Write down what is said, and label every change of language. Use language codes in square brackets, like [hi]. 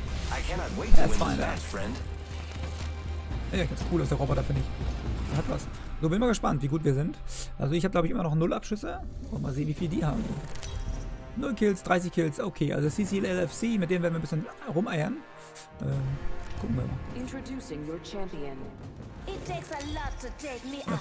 [en] I cannot wait to win that, friend. [de] Ja, ganz cool ist der Roboter, finde ich. Der hat was. So, bin mal gespannt, wie gut wir sind. Also ich habe, glaube ich, immer noch 0 Abschüsse. Und mal sehen, wie viel die haben. 0 Kills, 30 Kills, okay. Also CCLFC, mit denen werden wir ein bisschen rumeiern. Gucken wir mal. [en] Introducing your champion. It takes a lot to take me out.